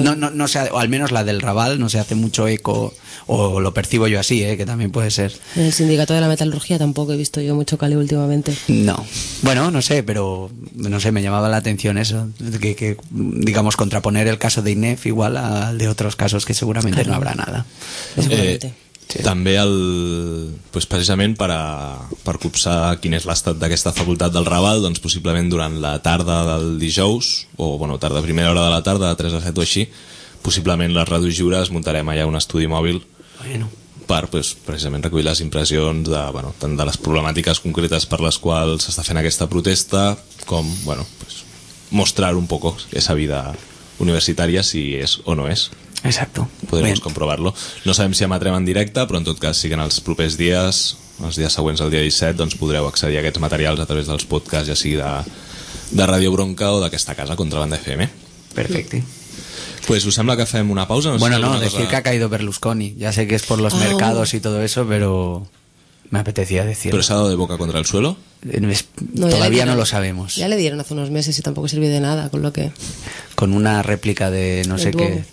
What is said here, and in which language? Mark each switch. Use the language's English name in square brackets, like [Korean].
[Spanish] No sé, o al menos la del Raval no se hace mucho eco, o lo percibo yo así, que también puede ser. En el sindicato de la metalurgia tampoco he visto yo mucho calio últimamente. No. Bueno, no sé, pero no sé, me llamaba la atención eso, que digamos, contraponer el caso de INEF igual al de otros casos que seguramente claro, no habrá nada. Seguramente. Sí. [Catalan] També pues precisament per copsar quin és l'estat d'aquesta facultat del Raval, doncs possiblement durant la tarda del dijous, o bueno, tarda, primera hora de la tarda, de 3 a 7 o així, possiblement les ràdios lliures muntarem allà un estudi mòbil per, pues, precisament recollir les impressions de, bueno, tant de les problemàtiques concretes per les quals s'està fent aquesta protesta, com, bueno, pues, mostrar [Spanish] un poco esa [Catalan] vida universitària, si és o no és. [Spanish] Exacto. Podríamos comprobarlo. [Catalan] No sabem si emetrem en directe, però en tot cas sí que en els propers dies, els dies següents al dia 17, doncs podreu accedir a aquests materials a través dels podcasts, ja sigui de Radio Bronca o d'aquesta casa, Contrabanda FM. Perfecte. [Spanish] Pues, ¿os [Catalan] sembla que fem una pausa? [Spanish] Decir que ha caído Berlusconi. Ya sé que es por los mercados y todo eso, pero me apetecía decir. ¿Pero se ha dado de boca contra el suelo? Todavía no lo sabemos. Ya le dieron hace unos meses y tampoco sirvió de nada, con lo que... Con una réplica de no sé qué...